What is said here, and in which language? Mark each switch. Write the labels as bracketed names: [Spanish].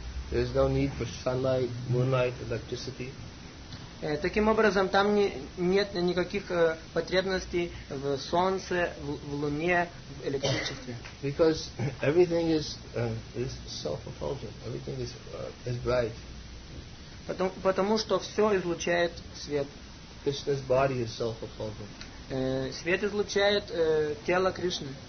[English] There is no need for sunlight, moonlight, electricity. [Russian] Таким образом, там нет никаких потребностей в солнце, в луне, в электричестве. [English] Because everything is self-effulgent. Everything is bright. [Russian] Потому что все излучает свет. [English] Krishna's body is self-effulgent. [Russian] Свет излучает тело Кришны.